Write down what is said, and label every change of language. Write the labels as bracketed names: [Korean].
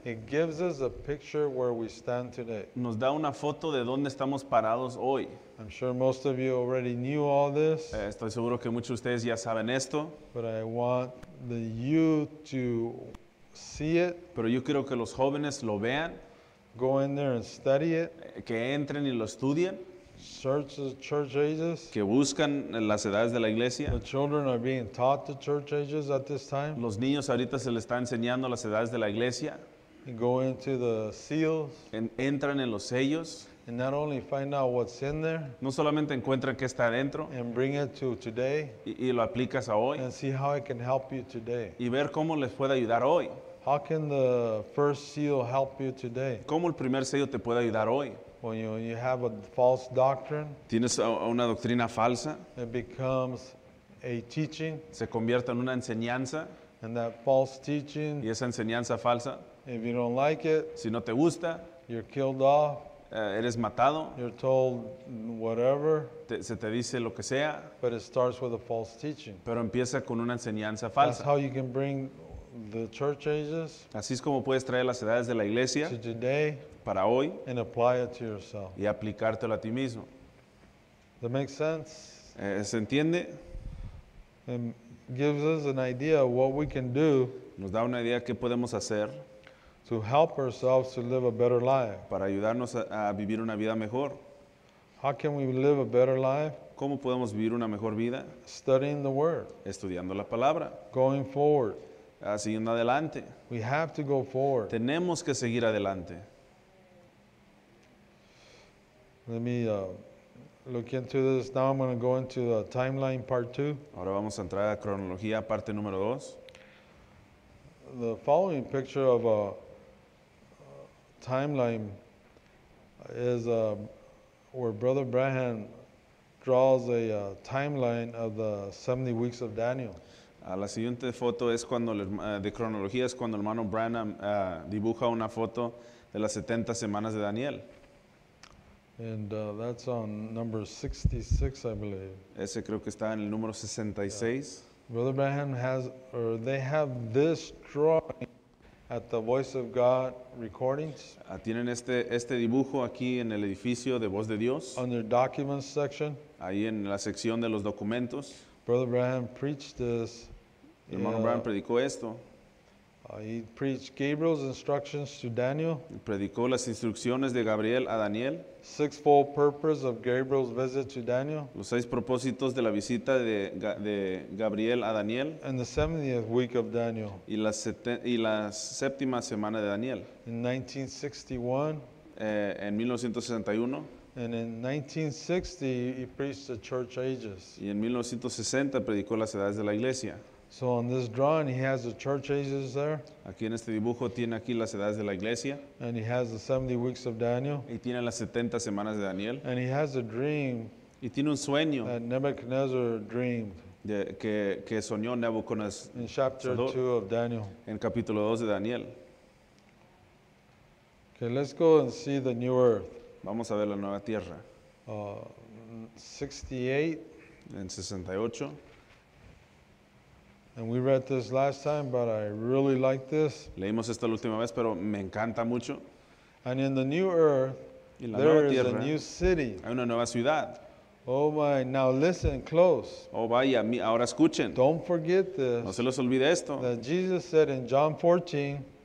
[English] It gives us a picture where we stand today. [Spanish] Nos da una foto de dónde estamos parados hoy. [English] I'm sure most of you already knew all this. [Spanish] Estoy seguro que muchos de ustedes ya saben esto. [English] But I want the you to see it. [Spanish] Pero yo quiero que los jóvenes lo vean. [English] Go in there and study it. [Spanish] Que entren y lo estudien. [English] Search the church ages. [Spanish] Que buscan las edades de la iglesia. [English] The children are being taught the church ages at this time. [Spanish] Los niños ahorita se les está enseñando las edades de la iglesia. [English] And go into the seals. [Spanish] Entran en los sellos. [English] And not only find out what's in there. [Spanish] No solamente encuentran qué está adentro. [English] And bring it to today. [Spanish] Y lo aplicas a hoy. [English] And see how it can help you today. [Spanish] Y ver cómo les puede ayudar hoy. [English] How can the first seal help you today? [Spanish] ¿Cómo el primer sello te puede ayudar hoy? [English] When you have a false doctrine, [Spanish] tienes una doctrina falsa, [English] it becomes a teaching, [Spanish] se convierte en una enseñanza, [English] and that false teaching, [Spanish] y esa enseñanza falsa, [English] if you don't like it, [Spanish] si no te gusta, [English] you're killed off, [Spanish] eres matado, [English] you're told whatever, [Spanish] se te dice lo que sea, [English] but it starts with a false teaching. [Spanish] Pero empieza con una enseñanza falsa. [English] That's how you can bring the church ages. [Spanish] Así es como puedes traer las edades de la iglesia [English] to today. [Spanish] Para hoy. [English] And apply it to yourself. [Spanish] Y aplicártelo a ti mismo. [English] That makes sense. [Spanish] ¿Se entiende? [English] It gives us an idea of what we can do. [Spanish] Nos da una idea qué podemos hacer. [English] To help ourselves to live a better life. [Spanish] Para ayudarnos a vivir una vida mejor. [English] How can we live a better life? [Spanish] ¿Cómo podemos vivir una mejor vida? [English] Studying the word. [Spanish] Estudiando la palabra. [English] Going forward. [Spanish] Siguiendo adelante. [English] We have to go forward. [Spanish] Tenemos que seguir adelante. [English] Let me look into this. Now I'm going to go into the timeline part two. [Spanish] Ahora vamos a entrar a cronología parte número dos. [English] The following picture of a timeline is where Brother Branham draws a timeline of the 70 weeks of Daniel. [Spanish] La siguiente foto es cuando de cronología es cuando el hermano Branham dibuja una foto de las 70 semanas de Daniel. [English] And that's on number 66, I believe. [Spanish] Ese creo que está en el número 66. [English] Yeah. Brother Branham has, or they have this drawing at the Voice of God recordings. [Spanish] Tienen este dibujo aquí en el edificio de Voz de Dios. [English] On their documents section. [Spanish] Ahí en la sección de los documentos. [English] Brother Branham preached this. [Spanish] El hermano Branham predicó esto. [English] He preached Gabriel's instructions to Daniel. [Spanish] Predicó las instrucciones de Gabriel a Daniel. [English] Sixfold purpose of Gabriel's visit to Daniel. [Spanish] Los seis propósitos de la visita de Gabriel a Daniel. [English] And the 70th week of Daniel. [Spanish] Y la séptima semana de Daniel. [English] In 1961. [Spanish] En 1961. [English] And in 1960, he preached the church ages. [Spanish] Y en 1960 predicó las edades de la iglesia. [English] So on this drawing, he has the church ages there. [Spanish] Aquí en este dibujo tiene aquí las edades de la iglesia. [English] And he has the 70 weeks of Daniel. [Spanish] Y tiene las 70 semanas de Daniel. [English] And he has a dream. [Spanish] Y tiene un sueño. [English] That Nebuchadnezzar dreamed. [Spanish] Que soñó Nebuchadnezzar. [English] In chapter 2 of Daniel. [Spanish] En capítulo 2 de Daniel. [English] Okay, let's go and see the new earth. [Spanish] Vamos a ver la nueva tierra. [English] 68. [Spanish] En 68. [English] And we read this last time, but I really like this. [Spanish] Leímos esto la última vez, pero me encanta mucho. [English] And in the new earth, there is a new city. [Spanish] Hay una nueva ciudad. [English] Oh my, now listen close. [Spanish] Oh vaya, ahora escuchen. [English] Don't forget this. [Spanish] No se los olvide esto. [English] That Jesus said in John 14.